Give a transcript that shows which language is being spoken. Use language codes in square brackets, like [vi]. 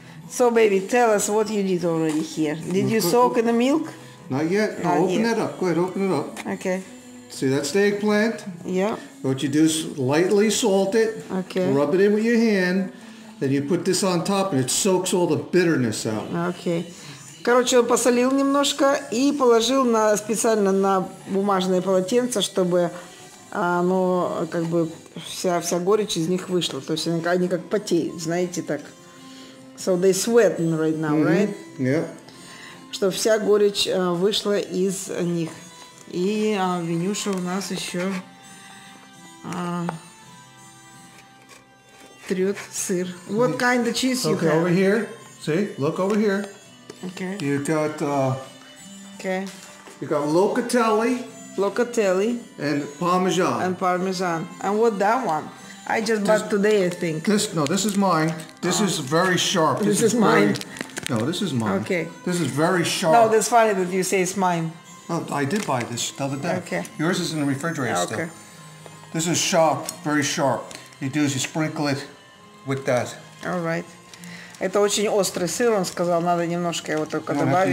[en] So, baby, tell us what you did already here. Did you soak in the milk? Not yet. No, Open it up. Go ahead, open it up. Okay. See, that's the eggplant. Yeah. What you do is lightly salt it. Okay. Rub it in with your hand. Then you put this on top and it soaks all the bitterness out. Okay. [ru] Короче, он посолил немножко и положил на специально на бумажное полотенце, чтобы оно как бы вся горечь из них вышла. То есть они как потеют, знаете, так. [en] So they sweating right now, mm-hmm. right? Yeah. [ru] Чтобы вся горечь вышла из них. И Венюша у нас еще трет сыр. [en] What kind of cheese okay, you have? Okay, over here. See, look over here. Okay. You got You got locatelli. Locatelli. And Parmesan. And Parmesan. And what that one? I just bought today, I think. This is mine. This is very sharp. This is mine. No, this is mine. Okay. This is very sharp. No, that's funny that you say it's mine. Oh, I did buy this the other day. Okay. Yours is in the refrigerator still. Okay. This is sharp, very sharp. You do is you sprinkle it with that. All right. [ru] Это очень острый сыр, он сказал, надо немножко его только добавить.